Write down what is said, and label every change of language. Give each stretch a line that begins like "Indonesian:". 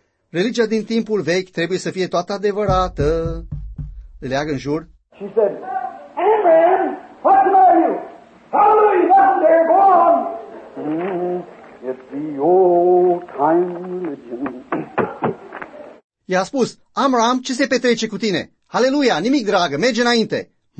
Romanian: Religia din timpul vechi trebuie să fie toată adevărată. Le leagă în jur.
English: She said, Amram, what's the matter you? Hallelujah, nothing there, go on. It's the old time religion.
Romanian: I-a spus, Amram, ce se petrece cu tine? Aleluia, nimic, dragă, merge înainte.